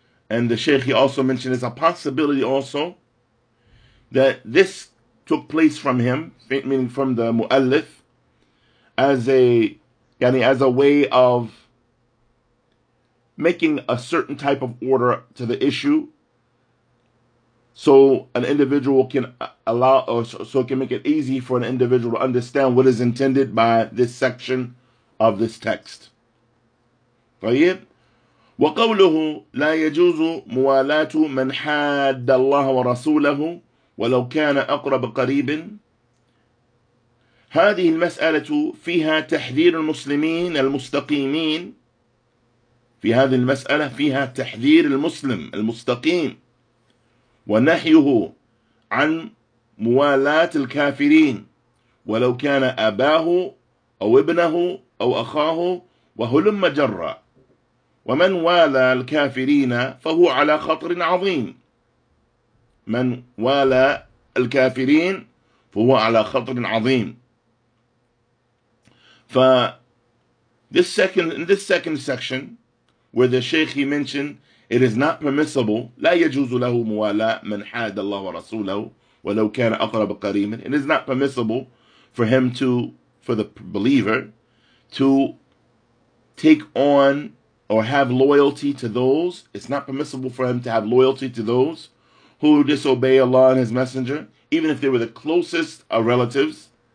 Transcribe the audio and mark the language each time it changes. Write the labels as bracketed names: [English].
[English] And the Shaykh, he also mentioned, is a possibility also that this took place from him, meaning from the muallif, as a way of making a certain type of order to the issue, so an individual can allow, or so it can make it easy for an individual to understand what is intended by this section of this text. [Arabic] طيب وقوله لا يجوز موالاة من حاد الله ورسوله ولو كان أقرب قريب. هذه المسألة فيها تحذير المسلمين المستقيمين. في هذه المسألة فيها تحذير المسلم المستقيم ونهيه عن موالاة الكافرين ولو كان أباه أو ابنه أو أخاه وهلم جرا. ومن والى الكافرين فهو على خطر عظيم. من والى الكافرين فهو على خطر عظيم. [English] ف this second section where the Sheikh, he mentioned, it is not permissible, [Arabic] لا يجوز له موالاة من حاد الله ورسوله ولو كان أقرب قريبا. [English] It is not permissible for him to, for the believer, to take on or have loyalty to those. It's not permissible for him to have loyalty to those who disobey Allah and his messenger, even if they were the closest of relatives.